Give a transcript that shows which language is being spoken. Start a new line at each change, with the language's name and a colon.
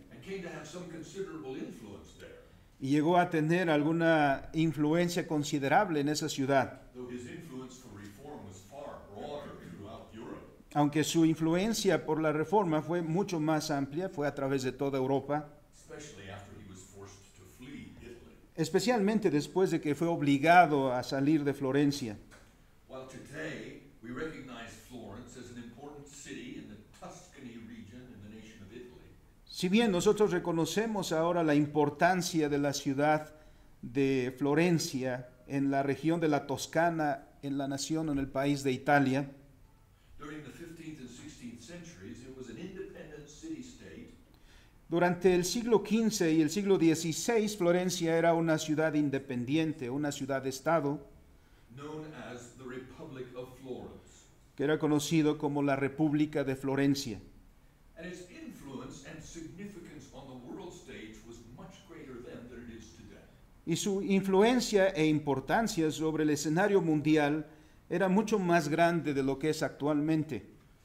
English: And came to have some considerable influence there.
Spanish: Y llegó a tener alguna influencia considerable en esa ciudad.
English: Though his influence for reform was far broader throughout Europe.
Spanish: Aunque su influencia por la Reforma fue mucho más amplia, fue a través de toda Europa.
English: Especially after he was forced to flee.
Spanish: especialmente después de que fue obligado a salir de Florencia.
English: Well, today we recognize Florence as an important city in the Tuscany region in the nation of Italy.
Spanish: Si bien nosotros reconocemos ahora la importancia de la ciudad de Florencia en la región de la Toscana, en la nación, en el país de Italia.
English: During the 15th and 16th centuries, it was an independent city-state.
Spanish: Durante el siglo XV y el siglo XVI, Florencia era una ciudad independiente, una ciudad-estado,
English: known as the Republic of Florence,
Spanish: que era conocido como la República de Florencia.
English: And its influence and significance on the world stage was much greater then than it is today.
Spanish: Y su influencia e importancia sobre el escenario mundial era mucho más grande de lo que es actualmente.